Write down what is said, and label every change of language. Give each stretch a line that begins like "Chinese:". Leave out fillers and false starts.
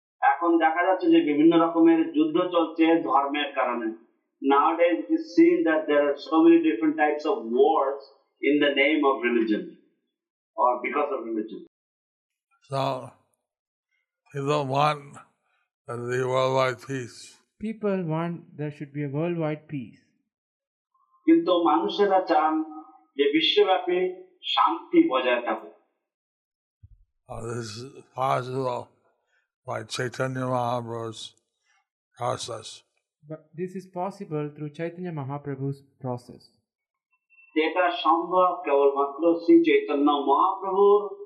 Bangla: এখন দেখা যাচ্ছে যে বিভিন্ন রকমের যুদ্ধ চলছে ধর্মের কারণে।
English: Nowadays it is seen that there are so many different types of wars in the name of religion or because of religion. So, people want that there be worldwide peace. People want there should be a worldwide peace.
Bangla: কিন্তু মানুষেরা চান যে বিশ্বব্যাপী শান্তি বজায় থাকুক।
English: This is possible by Chaitanya Mahaprabhu's process. But this is possible through Chaitanya Mahaprabhu's process.
Bangla: এটা সম্ভব কেবলমাত্র শ্রী চৈতন্য মহাপ্রভুর